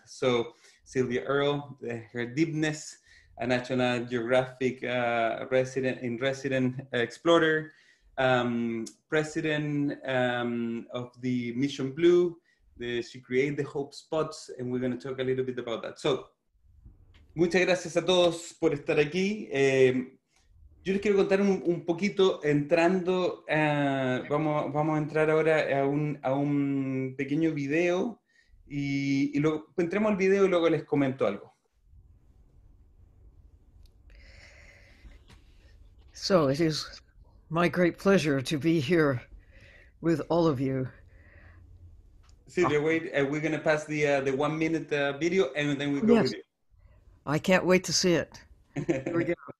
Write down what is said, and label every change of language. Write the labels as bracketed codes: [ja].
[en] So Sylvia Earle, her deepness, a National Geographic resident explorer, president of the Mission Blue. She created the Hope Spots, and we're going to talk a little bit about that. [es] So, muchas gracias a todos por estar aquí. Yo les quiero contar un poquito entrando. Vamos a entrar ahora a un pequeño video. Y luego entremos al video y luego les comento algo. [en] So it is my great pleasure to be here with all of you. Sylvia, wait, we're going to pass the 1 minute video and then we go. Yes. With you. I can't wait to see it. Here we go.